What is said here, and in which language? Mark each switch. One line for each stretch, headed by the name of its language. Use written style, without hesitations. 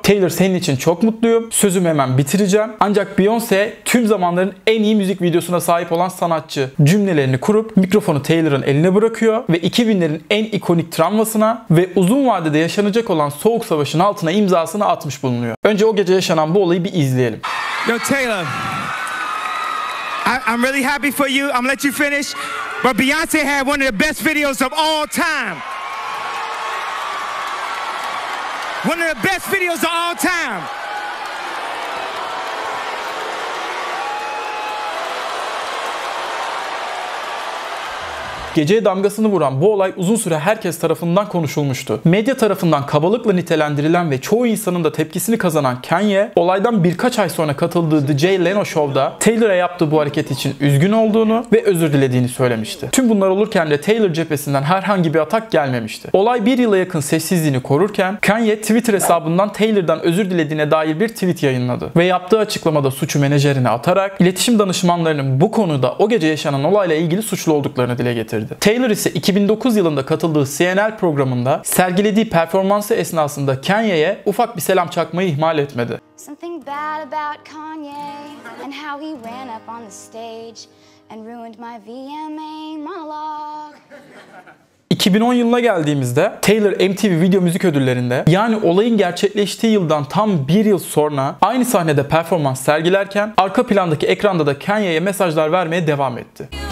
Turkish: Taylor senin için çok mutluyum. Sözümü hemen bitireceğim. Ancak Beyoncé tüm zamanların en iyi müzik videosuna sahip olan sanatçı cümlelerini kurup mikrofonu Taylor'ın eline bırakıyor ve 2000'lerin en ikonik travmasına ve uzun vadede yaşanacak olan soğuk savaşın altına imzasını atmış bulunuyor. Önce o gece yaşanan bu olayı bir izleyelim.
English: Yo Taylor, I'm really happy for you. I'm let you finish. But Beyoncé had one of the best videos of all time. One of the best videos of all time.
Turkish: Geceye damgasını vuran bu olay uzun süre herkes tarafından konuşulmuştu. Medya tarafından kabalıkla nitelendirilen ve çoğu insanın da tepkisini kazanan Kanye, olaydan birkaç ay sonra katıldığı The Jay Leno Show'da Taylor'a yaptığı bu hareket için üzgün olduğunu ve özür dilediğini söylemişti. Tüm bunlar olurken de Taylor cephesinden herhangi bir atak gelmemişti. Olay bir yıla yakın sessizliğini korurken, Kanye Twitter hesabından Taylor'dan özür dilediğine dair bir tweet yayınladı. Ve yaptığı açıklamada suçu menajerine atarak, iletişim danışmanlarının bu konuda o gece yaşanan olayla ilgili suçlu olduklarını dile getirdi. Taylor ise 2009 yılında katıldığı CNN programında sergilediği performansı esnasında Kanye'ye ufak bir selam çakmayı ihmal etmedi.
English: Something bad about Kanye and how he ran up on the stage and ruined my VMA monologue.
Turkish: 2010 yılına geldiğimizde Taylor MTV Video Müzik Ödülleri'nde yani olayın gerçekleştiği yıldan tam bir yıl sonra aynı sahnede performans sergilerken arka plandaki ekranda da Kanye'ye mesajlar vermeye devam etti.